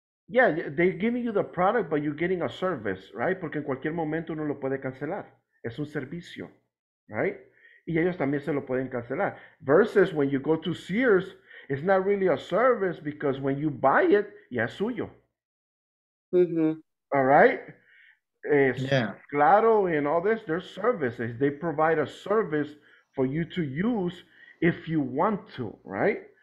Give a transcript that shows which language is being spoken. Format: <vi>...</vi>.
<en>Yeah, they're giving you the product, but you're getting a service, right?</en> <es>Porque en cualquier momento uno lo puede cancelar. Es un servicio, right? Y ellos también se lo pueden cancelar.</es> <en>Versus when you go to Sears, it's not really a service because when you buy it,</en> <es>ya es suyo. Mm-hmm.</es> <en>All right?</en> <es>Claro</es> <en>and all this, they're services. They provide a service for you to use if you want to, right?</en>